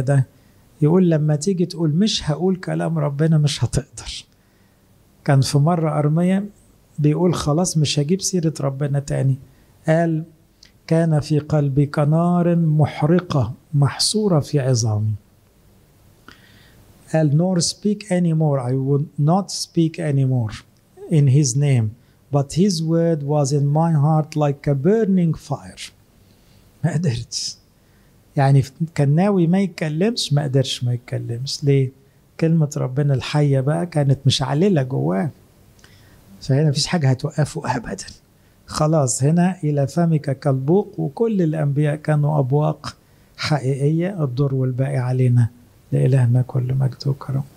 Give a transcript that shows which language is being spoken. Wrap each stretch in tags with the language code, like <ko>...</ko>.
<ar>ده يقول لما تيجي تقول مش هقول كلام ربنا مش هتقدر. كان في مرة أرمية بيقول خلاص مش هجيب سيرة ربنا تاني. قال كان في قلبي كنار محرقة محصورة في عظامي.</ar> <en>قال nor speak anymore, I will not speak anymore in his name, but his word was in my heart like a burning fire.</en> <ar>ما قدرتش. يعني كان ناوي ما يتكلمش، ما قدرش ما يتكلمش. ليه؟ كلمة ربنا الحية بقى كانت مش عليلة جواه. فهنا فيش حاجة هتوقفه ابدا. خلاص هنا الى فمك كالبوق. وكل الانبياء كانوا ابواق حقيقية. الدور والباقي علينا. لإلهنا كل مجد وكرم.</ar>